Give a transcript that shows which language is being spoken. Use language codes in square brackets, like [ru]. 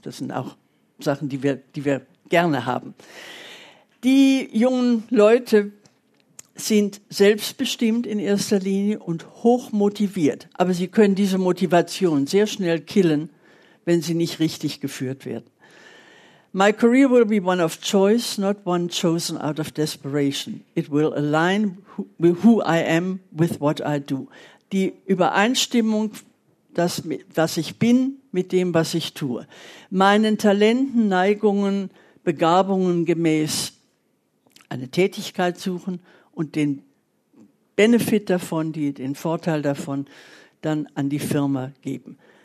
[de] Das sind auch Sachen, die wir gerne haben. Die jungen Leute sind selbstbestimmt in erster Linie und hochmotiviert, aber sie können diese Motivation sehr schnell killen, wenn sie nicht richtig geführt werden. [en] My career will be one of choice, not one chosen out of desperation. It will align with who I am, with what I do. [de] Die Übereinstimmung, das, was ich bin, mit dem, was ich tue. Meinen Talenten, Neigungen, Begabungen gemäß eine Tätigkeit suchen und den Benefit davon, den Vorteil davon, dann an die Firma geben.